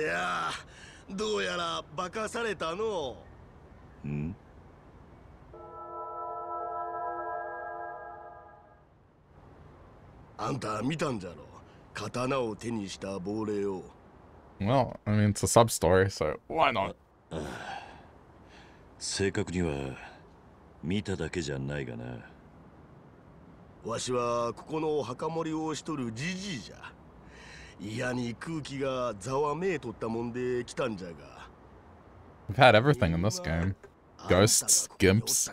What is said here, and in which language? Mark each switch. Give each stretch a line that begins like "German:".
Japanese: いや、どうやら化かされたの。ん？あんた見たんじゃろ、刀を手にした亡霊を。
English: Well, I mean, it's a sub-story, so why not?
Japanese: 正確には見ただけじゃないがな。わしはここの墓守りをしとるジジイじゃ。嫌に空気がざわめいとったもんで来たんじゃが。
English: We've had everything in this game. Ghosts, gimps.